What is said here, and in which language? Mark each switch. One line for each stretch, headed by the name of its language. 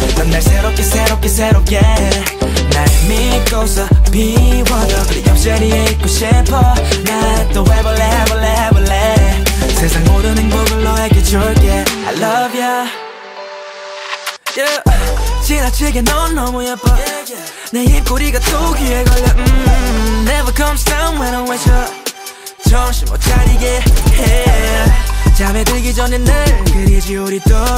Korean: 난 날 새롭게 새롭게 새롭게 날 믿고서 비워둬. 옆자리에 있고 싶어. 난 또 해볼래 해볼래 해볼래. 세상 모든 행복을 너에게 줄게.
English: I love ya. Yeah.
Korean: 지나치게 넌 너무 예뻐.
English: Yeah, yeah.
Korean: 내 입꼬리가 또 귀에 걸려.
English: Never comes down when I'm with you.
Korean: 정신 못 차리게 해. 잠에 들기 전에 늘 그리지 우리 둘.